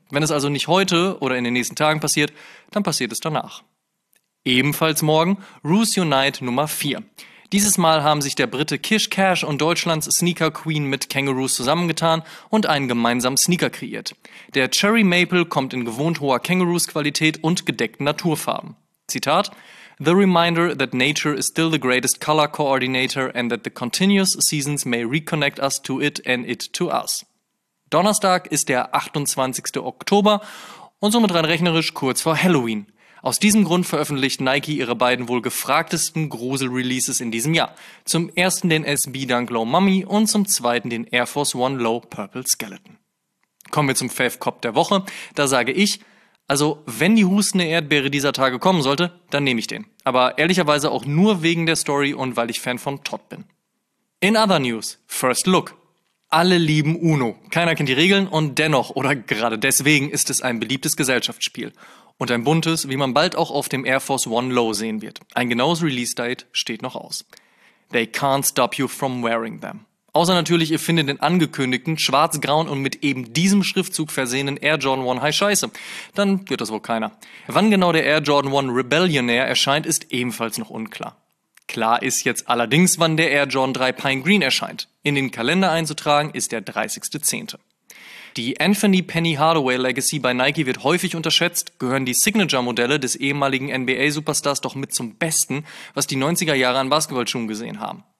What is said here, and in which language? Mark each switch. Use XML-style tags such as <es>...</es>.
<de>Wenn es also nicht heute oder in den nächsten Tagen passiert, dann passiert es danach. Ebenfalls morgen, Ruse Unite Nummer 4. Dieses Mal haben sich der Brite Kish Cash und Deutschlands Sneaker Queen mit Kangaroos zusammengetan und einen gemeinsamen Sneaker kreiert. Der Cherry Maple kommt in gewohnt hoher Kangaroos-Qualität und gedeckten Naturfarben.</de> <en>Zitat: The reminder that nature is still the greatest color coordinator and that the continuous seasons may reconnect us to it and it to us.</en> <de>Donnerstag ist der 28. Oktober und somit rein rechnerisch kurz vor Halloween. Aus diesem Grund veröffentlicht Nike ihre beiden wohl gefragtesten Grusel-Releases in diesem Jahr. Zum ersten den SB Dunk Low Mummy und zum zweiten den Air Force One Low Purple Skeleton. Kommen wir zum Fave Cop der Woche. Da sage ich, also wenn die hustende Erdbeere dieser Tage kommen sollte, dann nehme ich den. Aber ehrlicherweise auch nur wegen der Story und weil ich Fan von Todd bin.</de> <en>In other news, first look.</en> <de>Alle lieben Uno. Keiner kennt die Regeln und dennoch oder gerade deswegen ist es ein beliebtes Gesellschaftsspiel. Und ein buntes, wie man bald auch auf dem Air Force One Low sehen wird. Ein genaues Release-Date steht noch aus.</de> <en>They can't stop you from wearing them.</en> <de>Außer natürlich, ihr findet den angekündigten, schwarz-grauen und mit eben diesem Schriftzug versehenen Air Jordan One High scheiße. Dann wird das wohl keiner. Wann genau der Air Jordan One Rebellionaire erscheint, ist ebenfalls noch unklar. Klar ist jetzt allerdings, wann der Air Jordan 3 Pine Green erscheint. In den Kalender einzutragen ist der 30.10. Die Anthony Penny Hardaway Legacy bei Nike wird häufig unterschätzt, gehören die Signature-Modelle des ehemaligen NBA-Superstars doch mit zum Besten, was die 90er Jahre an Basketballschuhen gesehen haben.</de>